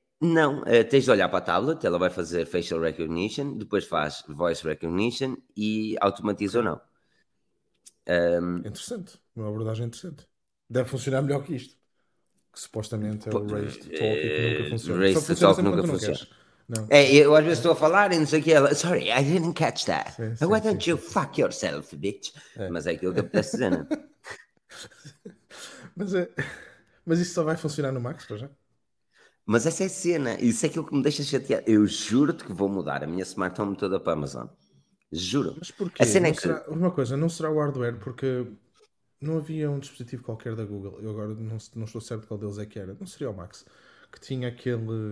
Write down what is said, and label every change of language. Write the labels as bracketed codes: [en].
[pt] Não, tens de olhar para a tablet, ela vai fazer facial recognition, depois faz voice recognition e automatiza ou não. Interessante, uma abordagem interessante. Deve funcionar melhor que isto. Que supostamente é o Raise to Talk e que nunca funciona. Raise to Talk nunca funciona. Não. Eu às vezes estou a falar e não sei o que ela. [en] Sorry, I didn't catch that. Sim, why don't you fuck yourself, bitch? [pt] Mas é aquilo que apetece dizer, não? Mas isso só vai funcionar no Max, para já? Mas essa é a cena. Isso é aquilo que me deixa chateado. Eu juro-te que vou mudar a minha smart home toda para a Amazon. Juro. Mas porquê? A cena é que... será... Uma coisa, não será o hardware, porque... Não havia um dispositivo qualquer da Google, eu agora não estou certo qual deles é que era, não seria o Max, que tinha aquele...